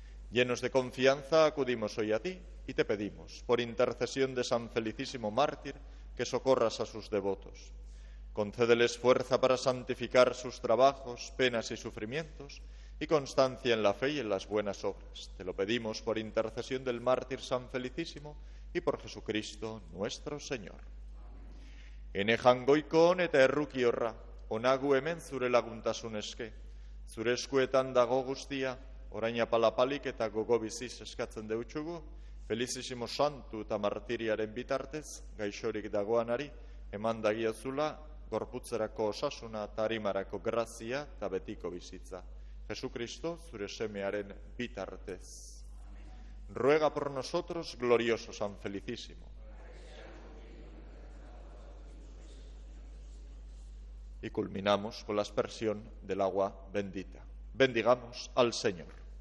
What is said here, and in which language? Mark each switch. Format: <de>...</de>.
<es>Llenos de confianza, acudimos hoy a ti y te pedimos, por intercesión de San Felicísimo Mártir, que socorras a sus devotos. Concédeles fuerza para santificar sus trabajos, penas y sufrimientos, y constancia en la fe y en las buenas obras. Te lo pedimos por intercesión del mártir San Felicísimo y por Jesucristo nuestro Señor.</es> <eu>Ene jangoikon eta erruki horra, onagu hemen zure laguntasun eske. Zure eskuetan dago guztia, orain apalapalik eta gogo biziz eskatzen deutxugu, Felicísimo santu eta martiriaren bitartez, gaixorik dagoanari, eman dagiozula, gorputzerako osasuna eta arimarako grazia eta betiko bizitza. Jesucristo, zure semearen bitartez.</eu> <es>Ruega por nosotros, glorioso San Felicísimo. Y culminamos con la aspersión del agua bendita. Bendigamos al Señor.</es>